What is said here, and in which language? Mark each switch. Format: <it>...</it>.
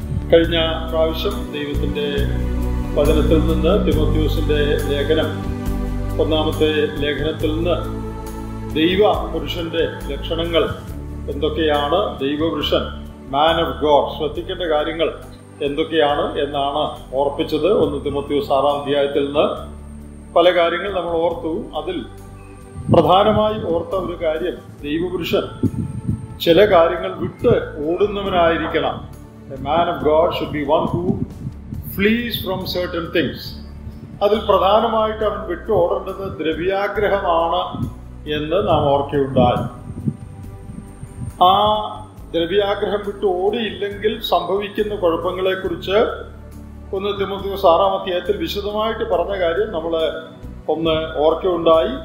<ml>കഴിഞ്ഞ പ്രാവശ്യം ദൈവത്തിൻ്റെ വചനത്തിൽ നിന്ന് തിമോത്തിയോസിൻ്റെ ലേഖനം ഒന്നാമത്തെ ലേഖനത്തിൽ നിന്ന് ദൈവ പുരുഷൻ്റെ ലക്ഷണങ്ങൾ എന്തൊക്കെയാണ്, ദൈവപുരുഷൻ</ml> <en>man of God</en> <ml>ശ്രദ്ധിക്കേണ്ട കാര്യങ്ങൾ എന്തൊക്കെയാണ് എന്നാണ് ഓർപ്പിച്ചത്. ഒന്ന് തിമോത്തിയോസ് ആറാം അധ്യായത്തിൽ നിന്ന് പല കാര്യങ്ങൾ നമ്മൾ ഓർത്തു. അതിൽ പ്രധാനമായി ഓർത്ത ഒരു കാര്യം, ദൈവപുരുഷൻ ചില കാര്യങ്ങൾ വിട്ട് ഓടുന്നവനായിരിക്കണം.</ml> <en>A man of God should be one who flees from certain things.</en> <ml>അതിൽ പ്രധാനമായിട്ട് അവൻ വിട്ടു ഓടേണ്ടത് ദ്രവ്യാഗ്രഹമാണ് എന്ന് നാം ഓർക്കുകയുണ്ടായി. ആ ദ്രവ്യാഗ്രഹം വിട്ടു ഓടിയില്ലെങ്കിൽ സംഭവിക്കുന്ന കുഴപ്പങ്ങളെക്കുറിച്ച് ഒന്ന് തിമോത്തിയോസ് ആറാം അധ്യായത്തിൽ വിശദമായിട്ട് പറഞ്ഞ കാര്യം നമ്മൾ ഒന്ന് ഓർക്കുകയുണ്ടായി.</ml>